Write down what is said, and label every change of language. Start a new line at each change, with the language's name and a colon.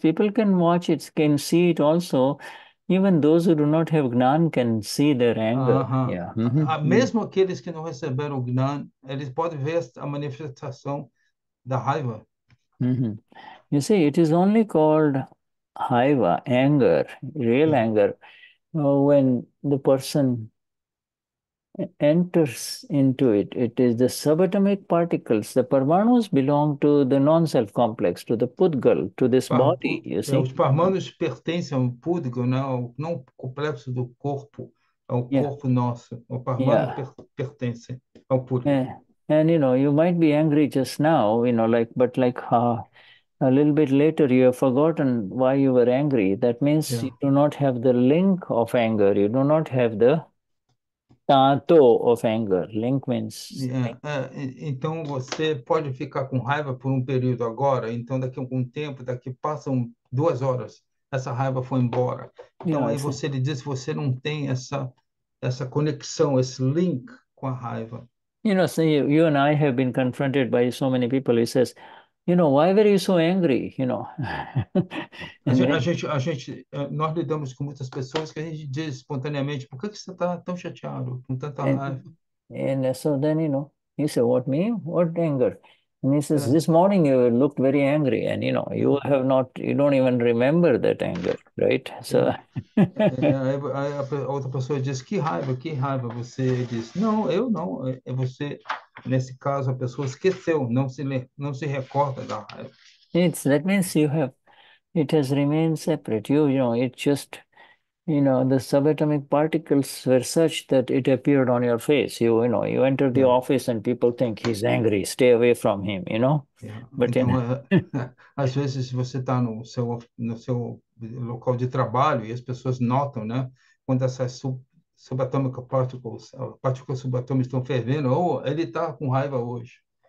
English: People can watch it, can see it also. Even those who do not have Gnan can see their anger.
Portuguese: Mesmo aqueles que não receberam o Gnan, eles podem ver a manifestação da raiva.
English: You see, it is only called haiva, anger, real anger, when the person enters into it. It is the subatomic particles, the parmanus belong to the non-self complex, to the pudgal, to this body, you see. Os parmanos pertencem ao pudgal, não ao complexo do corpo, ao corpo nosso. O parmano pertence ao pudgal. And you know, you might be angry just now, you know, like, but like a little bit later you have forgotten why you were angry. That means you do not have the link of anger, you do not have the tanto of anger. Link means
Portuguese: Então você pode ficar com raiva por um período agora, então daqui a algum tempo, daqui passam 2 horas, essa raiva foi embora. Então aí você lhe diz, você não tem essa conexão, esse link com a raiva.
English: You know, so you and I have been confronted by so many people. He says, you know, why were you so angry? You know, and then
Portuguese: Nós lidamos com muitas pessoas que a gente diz espontaneamente, por que você está tão chateado, com tanta raiva?
English: And so then, you know, he said, what me? What anger? And he says, this morning you looked very angry, and you know, you have not, you don't even remember that anger, right? So.
Portuguese: Aí a outra pessoa diz, que raiva, você diz, não, eu não, é você, nesse caso, a pessoa esqueceu, não se recorda da raiva.
English: That means you have, it has remained separate. You know, it just, you know, the subatomic particles were such that it appeared on your face. You know, you enter the office and people think he's angry. Stay away from him, you know. But
Portuguese: Então, às vezes você está no seu local de trabalho e as pessoas notam, né, quando essas subatômicas partículas subatômicas estão fervendo, ou ele está com raiva hoje.